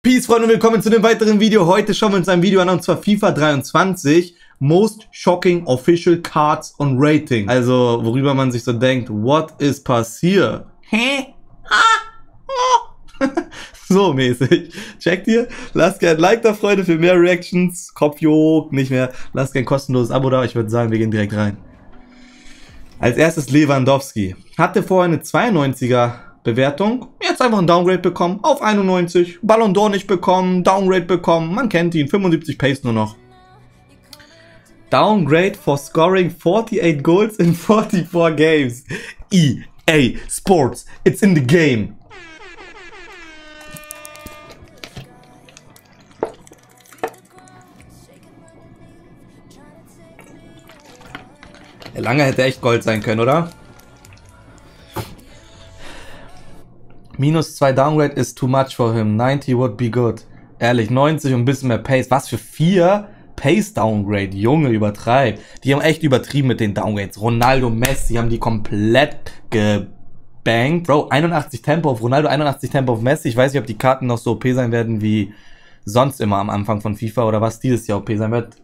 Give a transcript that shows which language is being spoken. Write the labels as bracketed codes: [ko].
[de] Peace, Freunde, und willkommen zu einem weiteren Video. Heute schauen wir uns ein Video an, und zwar FIFA 23. [en] Most shocking official cards on rating. [de] Also, worüber man sich so denkt, [en] what is [de] passiert? Hä? So mäßig. Checkt ihr? Lasst gerne ein Like da, Freunde, für mehr Reactions. Kopf juckt, nicht mehr. Lasst gerne ein kostenloses Abo da. Ich würde sagen, wir gehen direkt rein. Als erstes Lewandowski. Hatte vorher eine 92er Bewertung. Jetzt einfach ein Downgrade bekommen. Auf 91. Ballon d'Or nicht bekommen. Downgrade bekommen. Man kennt ihn. 75 Pace nur noch. [en] Downgrade for scoring 48 goals in 44 games. EA Sports. It's in the game. [de] Lange hätte echt Gold sein können, oder? [en] Minus 2 Downgrade is too much for him. 90 would be good. [de] Ehrlich, 90 und ein bisschen mehr Pace. Was für 4 Pace Downgrade? Junge, übertreib. Die haben echt übertrieben mit den Downgrades. Ronaldo, Messi haben die komplett gebankt. Bro, 81 Tempo auf Ronaldo, 81 Tempo auf Messi. Ich weiß nicht, ob die Karten noch so OP sein werden wie sonst immer am Anfang von FIFA oder was dieses Jahr OP sein wird.